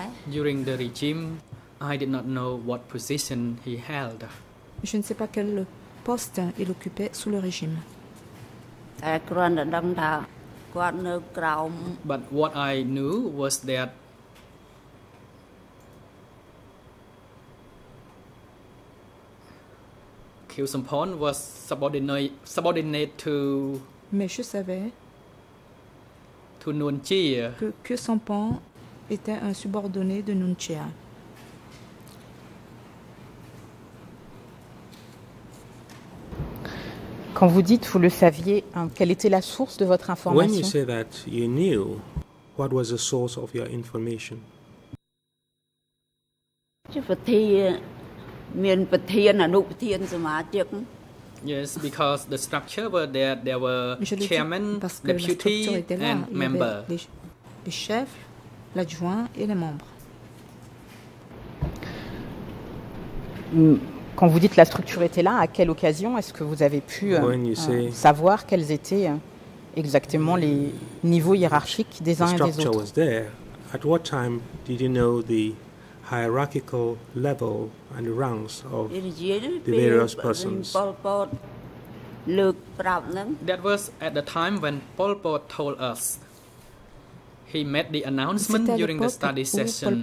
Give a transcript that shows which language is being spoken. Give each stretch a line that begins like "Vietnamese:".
English: During the regime, I did not know what position he held.
French: Je ne sais pas quel poste il occupait sous le régime.
English: But what I knew was that Kyo Sampan was subordinate to.
French: Mais je savais
English: to Nuon Chea.
French: Que Kyo Sampan était un subordonné de Nuon Chea. Quand vous dites, vous le saviez, quelle était la source de votre information?
English: When you say that you knew, what was the source of your information? Yes, because the structure was that there were chairman, deputy, and member.
French: Le chef, l'adjoint et les membres. Quand vous dites la structure était là, à quelle occasion est-ce que vous avez pu savoir quels étaient exactement les niveaux hiérarchiques des uns et des autres?
English: Was there. At what time did you know the hierarchical level and the ranks of the various persons? That was at the time when Pol Pot told us. He made the announcement during the study session.